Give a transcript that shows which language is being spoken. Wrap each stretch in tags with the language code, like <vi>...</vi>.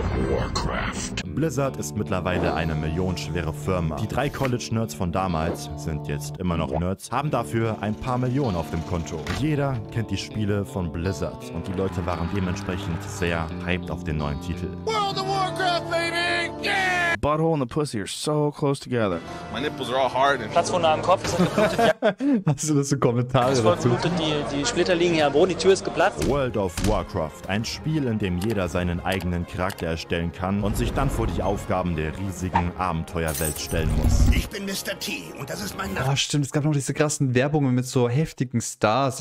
<de>Warcraft. Blizzard ist mittlerweile eine millionenschwere Firma. Die drei College-Nerds von damals sind jetzt immer noch Nerds, haben dafür ein paar Millionen auf dem Konto. Jeder kennt die Spiele von Blizzard und die Leute waren dementsprechend sehr hyped auf den neuen Titel.</de> <en>World of Warcraft, baby! Butthole and the pussy are so close together. My nipples are all hard. And</en> <de>Platzwunde am Kopf ist geblutet. Hast du das so Kommentare das dazu? Die Splitter liegen hier am Boden, die Tür ist geplatzt. World of Warcraft, ein Spiel, in dem jeder seinen eigenen Charakter erstellen kann und sich dann vor die Aufgaben der riesigen Abenteuerwelt stellen muss. Ich bin Mr. T und das ist mein Name. Ah, stimmt, es gab noch diese krassen Werbungen mit so heftigen Stars.</de>